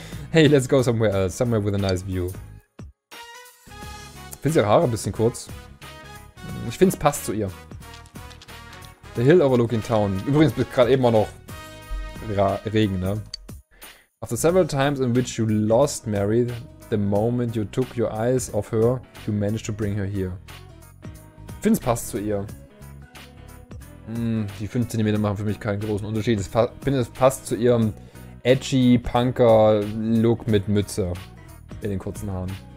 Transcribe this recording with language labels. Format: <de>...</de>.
<en>Hey, let's go somewhere else. Somewhere with a nice view.</en> <de>Find's ihre Haare ein bisschen kurz. Ich find's passt zu ihr.</de> <en>The hill overlooking town.</en> <de>Übrigens ist gerade eben auch noch Regen, ne?</de> <en>After several times in which you lost Mary, the moment you took your eyes off her, you managed to bring her here.</en> <de>Ich finde, es passt zu ihr. Die 5 cm machen für mich keinen großen Unterschied. Es passt zu ihrem edgy Punker-Look mit Mütze in den kurzen Haaren.</de>